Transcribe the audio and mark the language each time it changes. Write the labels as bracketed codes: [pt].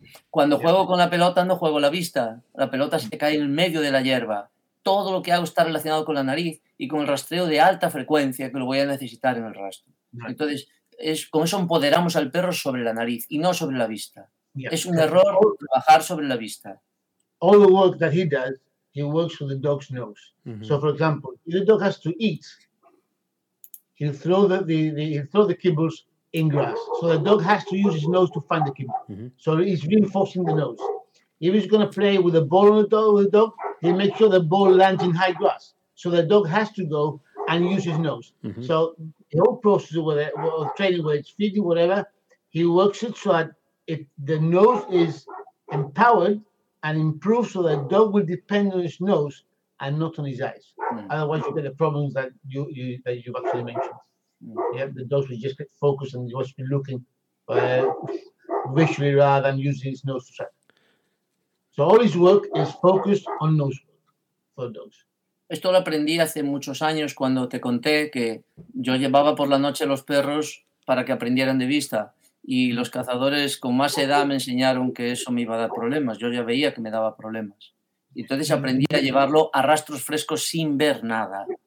[es] Cuando juego con la pelota, no juego la vista. La pelota se cae en el medio de la hierba. Todo lo que hago está relacionado con la nariz y con el rastreo de alta frecuencia que lo voy a necesitar en el rastro. Entonces, con eso empoderamos al perro sobre la nariz y no sobre la vista. Es un error trabajar sobre la vista. [en] All the work that he does, he works with the dog's nose. So, for example, if the dog has to eat, he'll throw the kibbles in grass. So the dog has to use his nose to find the kibble. So he's reinforcing the nose. If he's going to play with a ball on the dog, he makes sure the ball lands in high grass. So the dog has to go and use his nose. So the whole process of training, whether it's feeding, whatever, he works it so that if the nose is empowered and improve, so the dog will depend on his nose and not on his eyes. Otherwise, you get the problems that you actually mentioned. Yeah, the dogs will just get focused and just be looking visually rather than using its nose to track. So all his work is focused on nose work for dogs. [es] Esto lo aprendí hace muchos años cuando te conté que yo llevaba por la noche a los perros para que aprendieran de vista. Y los cazadores con más edad me enseñaron que eso me iba a dar problemas. Yo ya veía que me daba problemas. Y entonces aprendí a llevarlo a rastros frescos sin ver nada.